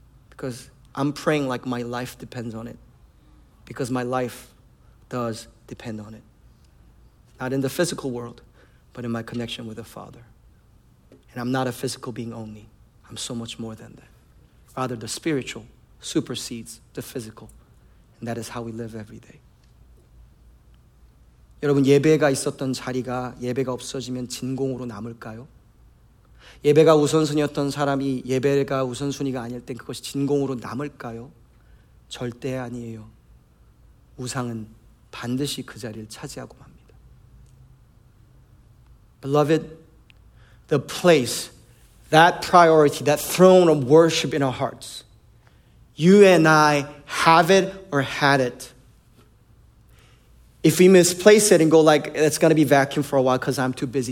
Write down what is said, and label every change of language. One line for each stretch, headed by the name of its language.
English: Because I'm praying like my life depends on it. Because my life does depend on it. Not in the physical world, but in my connection with the Father. And I'm not a physical being only. I'm so much more than that. Rather, the spiritual supersedes the physical. And that is how we live every day.
Korean: 여러분, 예배가 있었던 자리가 예배가 없어지면 진공으로 남을까요? 예배가 우선순위였던 사람이 예배가 우선순위가 아닐 땐 그것이 진공으로 남을까요? 절대 아니에요. 우상은 반드시 그 자리를 차지하고 맙니다.
English: Beloved, the place, that priority, that throne of worship in our hearts, you and I have it or had it. If we misplace it and go like, it's going to be vacuum for a while because I'm too busy.